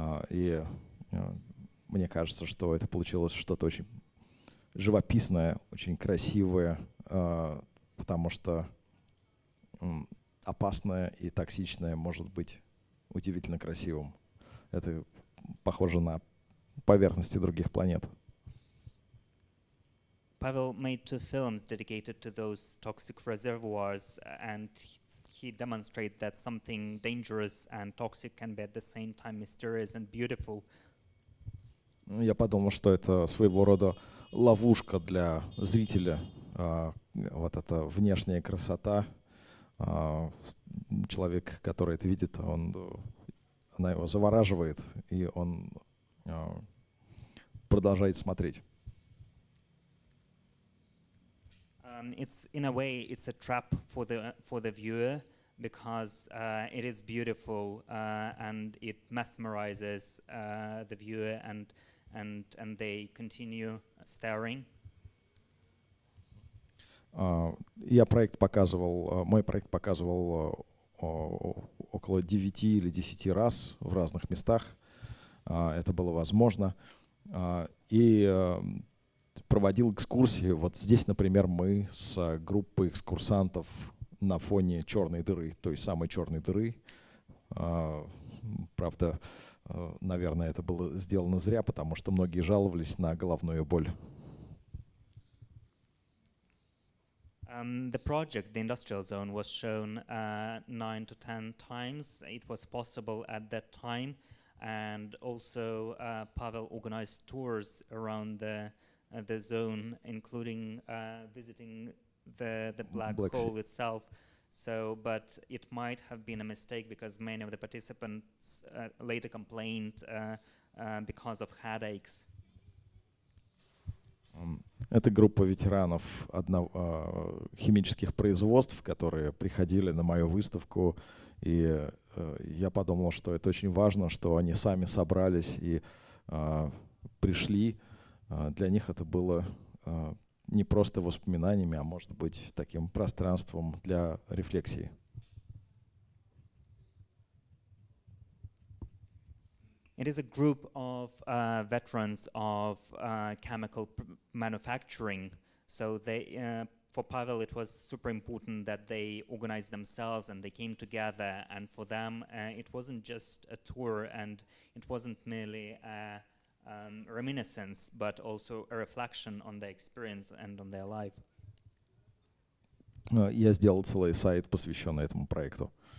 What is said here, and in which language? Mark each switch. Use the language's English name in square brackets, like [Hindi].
[Russian] И мне кажется, что это получилось что-то очень живописное, очень красивое, потому что опасное и токсичное может быть удивительно красивым. Это похоже на поверхности других планет. [English] Pavel made two films dedicated to those toxic reservoirs, and he demonstrated that something dangerous and toxic can be at the same time mysterious and beautiful. [Russian] Я подумал, что это своего рода ловушка для зрителя. Вот эта внешняя красота. Человек, который это видит, она его завораживает, и он продолжает смотреть. [English] It's in a way it's a trap for the viewer, because it is beautiful and it mesmerizes the viewer and they continue staring. [Russian] Мой проект показывал около 9 или 10 раз в разных местах это было возможно. И проводил экскурсии. Вот здесь, например, мы с группой экскурсантов на фоне черной дыры, той самой черной дыры. Правда, наверное, это было сделано зря, потому что многие жаловались на головную боль. [English] The project, the industrial zone, was shown 9 to 10 times. It was possible at that time, and also Pavel organized tours around the zone, including visiting the black hole itself. So, but it might have been a mistake because many of the participants later complained because of headaches. [Russian] Это группа ветеранов химических производств, которые приходили на мою выставку, и я подумал, что это очень важно, что они сами собрались и пришли. Для них это было не просто воспоминаниями, а может быть таким пространством для рефлексии. [English] It is a group of veterans of chemical manufacturing. So they, for Pavel, it was super important that they organized themselves and they came together. And for them, it wasn't just a tour and it wasn't merely a reminiscence, but also a reflection on their experience and on their life. [Russian] Я сделал целый сайт, посвященный этому проекту.